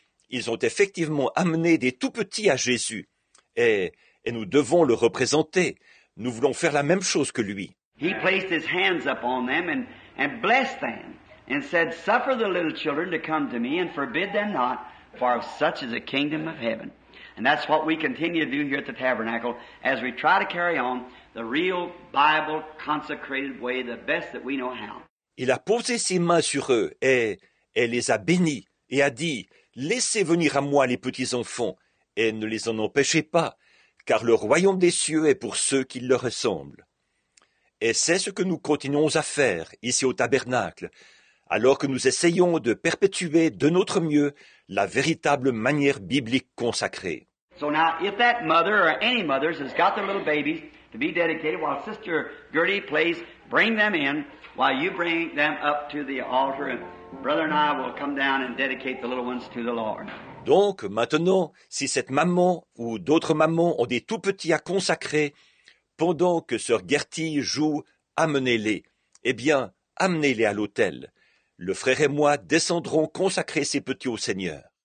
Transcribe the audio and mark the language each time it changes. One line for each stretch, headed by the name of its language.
French: Mais ils ont effectivement amené des tout petits à Jésus, et nous devons le représenter. Nous voulons faire la même chose que lui.
English: He placed his hands upon them and blessed them and said, "Suffer the little children to come to me and forbid them not, for of such is the kingdom of heaven." And that's what we continue to do here at the Tabernacle as we try to carry on the real Bible consecrated way the best that we know how.
French: Il a posé ses mains sur eux et les a bénis et a dit, laissez venir à moi les petits enfants et ne les en empêchez pas, car le royaume des cieux est pour ceux qui leur ressemblent. Et c'est ce que nous continuons à faire ici au Tabernacle, alors que nous essayons de perpétuer de notre mieux la véritable manière biblique consacrée.
English: So now, if that mother or any mothers has got their little babies to be dedicated while Sister Gertie plays, bring them in while you bring them up to the altar and brother and I will come down and dedicate the little ones to the Lord.
French: Donc, maintenant, si cette maman ou d'autres mamans ont des tout-petits à consacrer, pendant que Sœur Gertie joue, amenez-les. Eh bien, amenez-les à l'autel. Le frère et moi descendrons consacrer ces petits au Seigneur.